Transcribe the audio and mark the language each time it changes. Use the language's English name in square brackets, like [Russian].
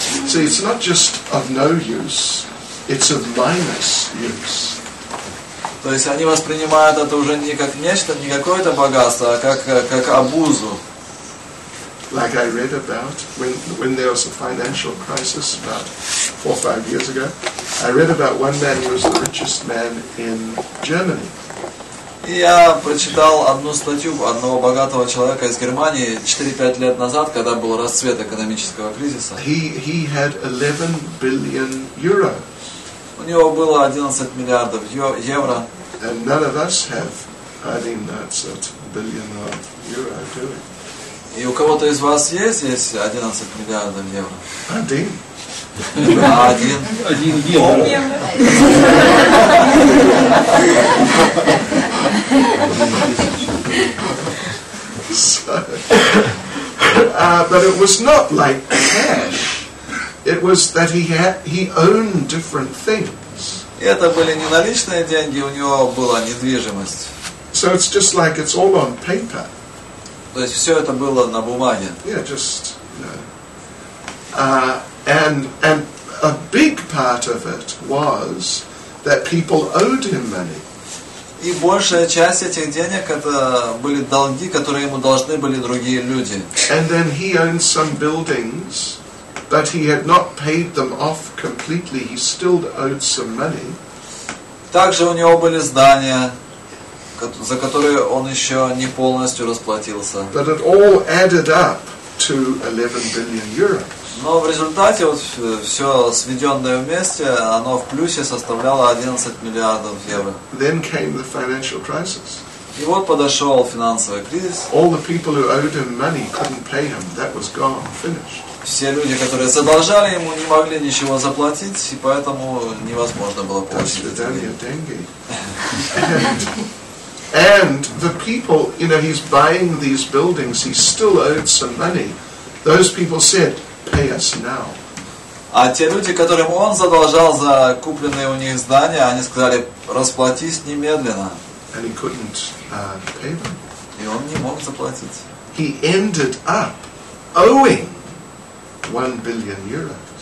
[English] See, it's not just of no use, it's of minus use. [Russian] То есть они воспринимают это уже не как нечто, не какое-то богатство, а как обузу. [English] Like I read about when there was a financial crisis about 4 or 5 years ago, I read about one man who was the richest man in Germany. [Russian] И я прочитал одну статью одного богатого человека из Германии 4-5 лет назад, когда был расцвет экономического кризиса. [English] He had 11 billion euros. [Russian] У него было 11 миллиардов евро. [English] And none of us have adding that sort of billion of euro, do we? [Russian] И у кого-то из вас есть 11 миллиардов евро? Один. Один евро. [English] But it was not like cash. It was that he owned different things. [Russian] Это были не наличные деньги, у него была недвижимость. [English] So it's just like it's all on paper. [Russian] То есть все это было на бумаге. [English] Yeah, just, you know. And a big part of it was that people owed him money. [Russian] И большая часть этих денег это были долги, которые ему должны были другие люди. [English] And then he owned some buildings, but he had not paid them off completely. He still owed some money. [Russian] Также у него были здания, за которые он еще не полностью расплатился. [English] But it all added up to 11 billion euros. [Russian] Но в результате вот все сведенное вместе, оно в плюсе составляло 11 миллиардов евро. [English] Then came the financial crisis. [Russian] И вот подошел финансовый кризис. [English] All the people who owed him money couldn't pay him. That was gone, finished. [Russian] Все люди, которые задолжали ему, не могли ничего заплатить, и поэтому невозможно было получить деньги. [English] And the people, you know, he's buying these buildings, he still owed some money. Those people said, pay us now. [Russian] А те люди, которым он задолжал за купленные у них здания, они сказали, расплатись немедленно. [English] and he couldn't pay them. [Russian] И он не мог заплатить. [English] He ended up owing 1 billion euros.